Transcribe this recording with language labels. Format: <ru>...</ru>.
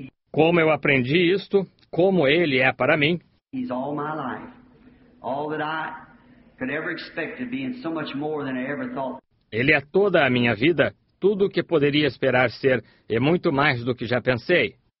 <pt>Como eu aprendi isto, como ele é para mim.</pt> <en>He's all my life. All that I could ever expect to be and so much more than I ever thought.</en> <pt>Ele é toda a minha vida, tudo o que poderia esperar ser, e muito mais do que já pensei.</pt>